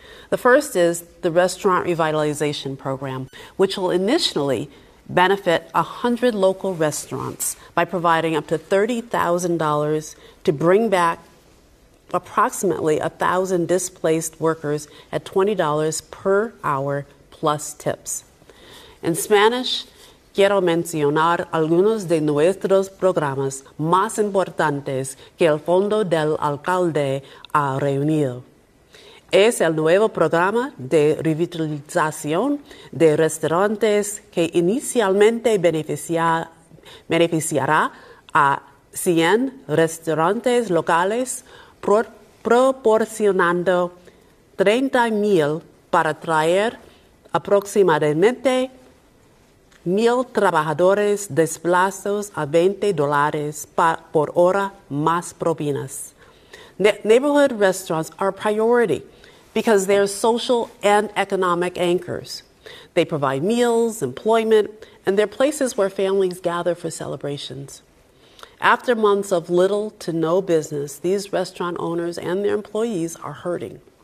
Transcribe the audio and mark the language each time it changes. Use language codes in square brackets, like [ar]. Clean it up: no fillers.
[en] The first is the Restaurant Revitalization Program, which will initially benefit 100 local restaurants by providing up to $30,000 to bring back approximately 1,000 displaced workers at $20 per hour plus tips. In Spanish, [es] quiero mencionar algunos de nuestros programas más importantes que el Fondo del Alcalde ha reunido. Es el nuevo programa de revitalización de restaurantes que inicialmente beneficiará a 100 restaurantes locales, proporcionando 30,000 para traer aproximadamente 1,000 trabajadores desplazados a $20 por hora más propinas. [en] Neighborhood restaurants are a priority because they are social and economic anchors. They provide meals, employment, and they're places where families gather for celebrations. After months of little to no business, these restaurant owners and their employees are hurting.